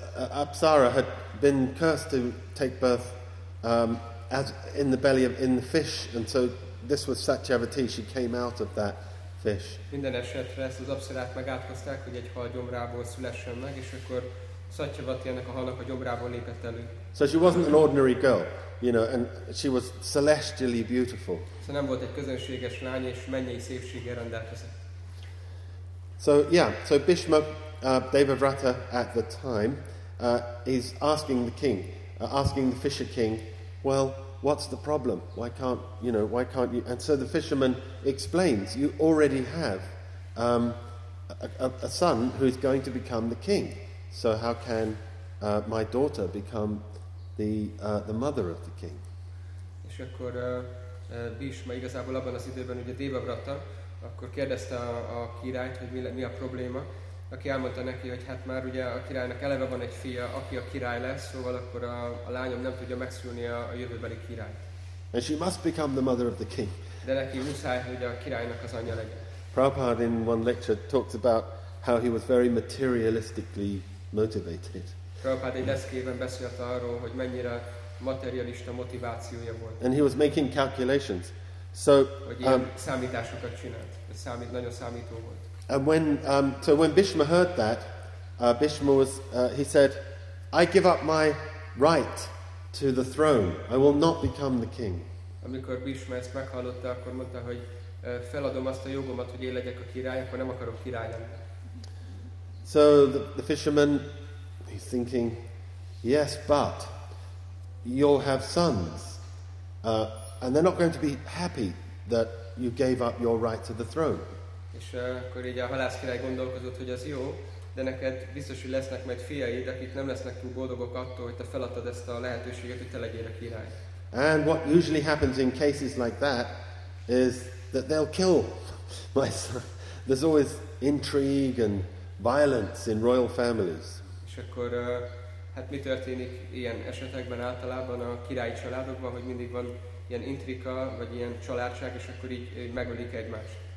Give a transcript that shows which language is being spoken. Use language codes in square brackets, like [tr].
[en] Apsara had been cursed to take birth as in the belly of the fish, and so this was Satyavati. She came out of that fish. [hu] Minden esetre ezt az apszirát megátkozták, hogy egy hal gyomrából szülessen meg, és akkor Szatyavati ennek a halnak a gyomrából lépett elő. [en] So she wasn't an ordinary girl, you know, and she was celestially beautiful. [hu] So nem volt egy közönséges lány, és mennyei szépséggel rendelkezett. [en] So yeah, so Bhishma, Devavrata at the time, is asking the king, asking the fisher king, well, what's the problem? Why can't you? And so the fisherman explains, you already have a son who's going to become the king. So how can my daughter become the mother of the king? [hu] És akkor Bhishma igazából abban az időben, ugye Devavrata, akkor kérdezte a királyt, hogy mi a probléma. Aki elmondta neki, hogy hát már ugye a királynak eleve van egy fia, aki a király lesz, szóval akkor a lányom nem tudja megszülni a jövőbeli királyt. [en] And she must become the mother of the king. [hu] De neki muszáj, hogy a királynak az anyja legyen. [en] Prabhupada in one lecture talks about how he was very materialistically motivated. [hu] Prabhupada egy leszkében beszélt arról, hogy mennyire materialista motivációja volt. [en] And he was making calculations. So, [hu] számításokat csinált. Nagyon számító volt. [en] And when Bhishma heard that, Bhishma was, he said, I give up my right to the throne. I will not become the king. [hu] Amikor Bhishma ezt meghallotta, akkor mondta, hogy feladom azt a jogomat, hogy én legyek a király, akkor nem akarok király lenni. [en] So the fisherman, he's thinking, yes, but you'll have sons. And they're not going to be happy that you gave up your right to the throne. [hu] És akkor így a halász király gondolkozott, hogy az jó, de neked biztos, hogy lesznek majd fiaid, akik nem lesznek túl boldogok attól, hogy te feladtad ezt a lehetőséget, hogy te legyél a király. [en] And what usually happens in cases like that is that they'll kill my son. There's always intrigue and violence in royal families. [hu] És akkor hát mi történik ilyen esetekben általában a királyi családokban, hogy mindig van ilyen intrika, vagy ilyen családság, és akkor így megölik egymást.